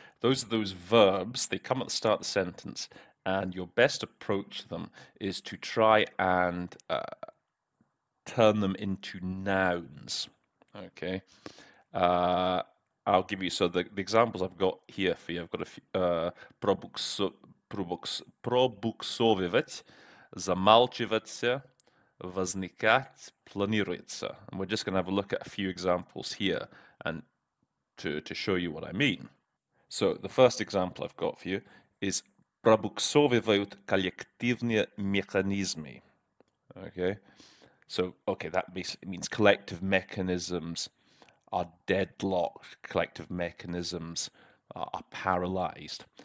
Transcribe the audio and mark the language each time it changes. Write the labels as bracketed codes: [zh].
[en] Those are those verbs. They come at the start of the sentence, and your best approach to them is to try and turn them into nouns. Okay. I'll give you, so the examples I've got here for you. I've got a few. [ru] Пробуксовывать, замалчиваться, возникать, планируется. [en] And we're just going to have a look at a few examples here and to show you what I mean. So the first example I've got for you is [ru] пробуксовывают коллективные механизмы. [en] Okay. So, okay, that basically means collective mechanisms are deadlocked, collective mechanisms are paralyzed.